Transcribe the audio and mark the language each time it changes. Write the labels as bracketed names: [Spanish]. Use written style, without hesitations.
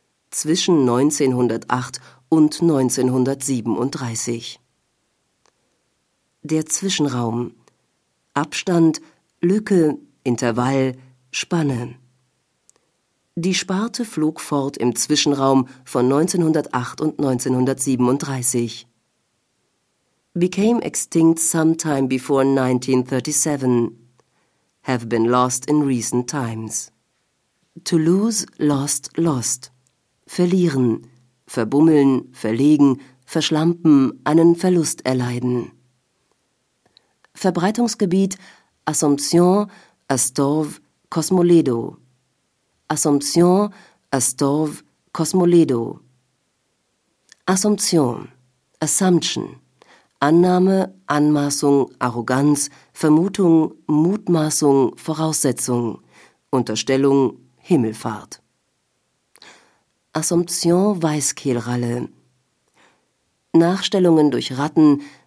[German] Zwischen 1908 und 1937. Der Zwischenraum. Abstand, Lücke, Intervall, Spanne. Die Sparte flog fort im Zwischenraum von 1908 und 1937. [English] Became extinct sometime before 1937. Have been lost in recent times. To lose, lost, lost. [German] Verlieren, verbummeln, verlegen, verschlampen, einen Verlust erleiden. Verbreitungsgebiet Assumption, Astorve, Cosmoledo. Assumption, Astorve, Cosmoledo. [English] Assumption, Assumption. [German] Annahme, Anmaßung, Arroganz, Vermutung, Mutmaßung, Voraussetzung, Unterstellung, Himmelfahrt. Assumption, Weißkehlralle. Nachstellungen durch Ratten.